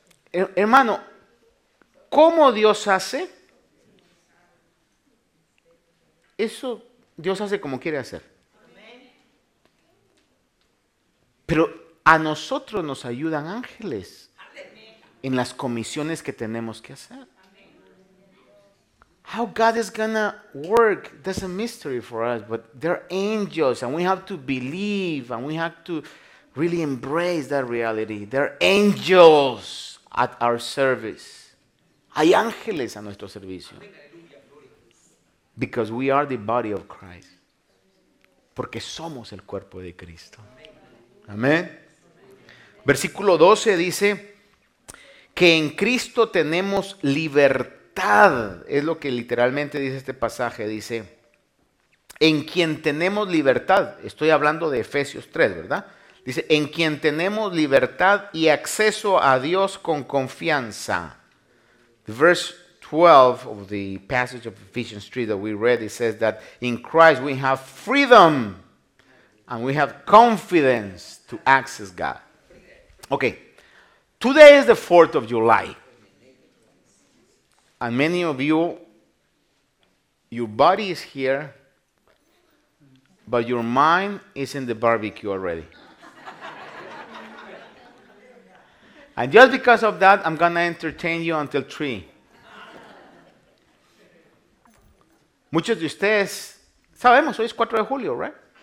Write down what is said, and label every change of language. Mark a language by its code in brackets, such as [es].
[es] Hermano, ¿cómo Dios hace? Eso Dios hace como quiere hacer. Pero a nosotros nos ayudan ángeles en las comisiones que tenemos que hacer. [en] How God is gonna work, that's a mystery for us, but there are angels and we have to believe and we have to really embrace that reality. There are angels at our service. [es] Hay ángeles a nuestro servicio. [en] Because we are the body of Christ. [es] Porque somos el cuerpo de Cristo. Amén. Versículo 12 dice que en Cristo tenemos libertad. Es lo que literalmente dice este pasaje. Dice, en quien tenemos libertad. Estoy hablando de Efesios 3, ¿verdad? Dice, en quien tenemos libertad y acceso a Dios con confianza. [en] Verse 12 of the passage of Ephesians 3 that we read, it says that in Christ we have freedom and we have confidence to access God. Okay, today is the 4th of July, and many of you, your body is here, but your mind is in the barbecue already. And just because of that, I'm going to entertain you until 3. [es] Muchos de ustedes, sabemos, hoy es 4 de julio, right?